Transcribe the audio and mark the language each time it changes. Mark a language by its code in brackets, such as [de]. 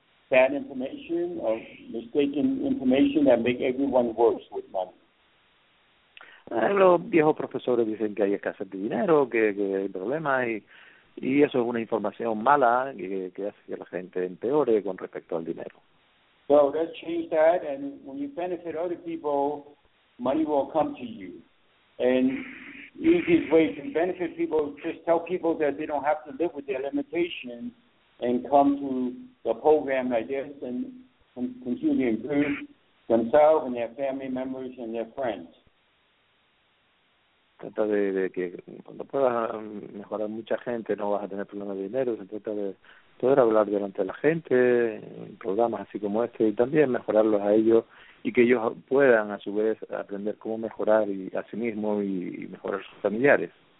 [en] bad information or mistaken information that make everyone worse with money. [es] Los viejos profesores dicen que hay escasez de dinero, que hay problemas, y eso es una información mala que hace que la gente empeore con respecto al dinero. [en] So let's change that, and when you benefit other people, money will come to you. And the easiest way to benefit people is just tell people that they don't have to live with their limitations and come to the program like this and continue to improve themselves and their family members and their friends. [es] Trata de que cuando puedas mejorar mucha gente no vas a tener problemas de dinero. Se trata de poder hablar delante de la gente en programas así como este y también mejorarlos a ellos y que ellos puedan a su vez aprender cómo mejorar y, a sí mismo y mejorar sus familiares.